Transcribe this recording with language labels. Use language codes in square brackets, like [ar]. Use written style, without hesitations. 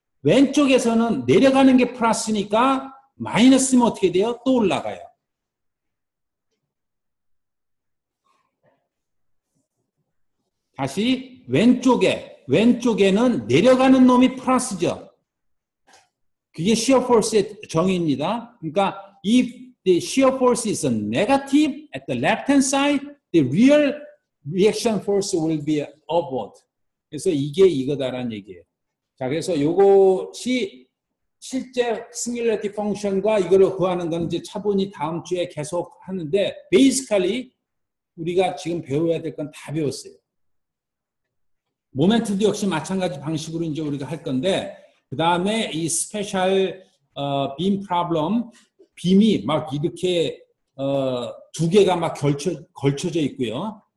[ko] 왼쪽에서는 내려가는 게 플러스니까 마이너스면 어떻게 돼요? 또 올라가요. 다시 왼쪽에, 왼쪽에는 내려가는 놈이 플러스죠. 그게 shear force의 정의입니다. 그러니까 [en] if the shear force is negative at the left hand side, the real reaction force will be upward. [ko] 그래서 이게 이거다라는 얘기예요. 자, 그래서 이것이 실제 singularity function과 이거를 구하는 건 이제 차분히 다음 주에 계속 하는데, basically 우리가 지금 배워야 될 건 다 배웠어요. 모멘트도 역시 마찬가지 방식으로 이제 우리가 할 건데, 그 다음에 이 스페셜 빔 프라블럼, 빔이 막 이렇게 두 개가 막 걸쳐져 있고요.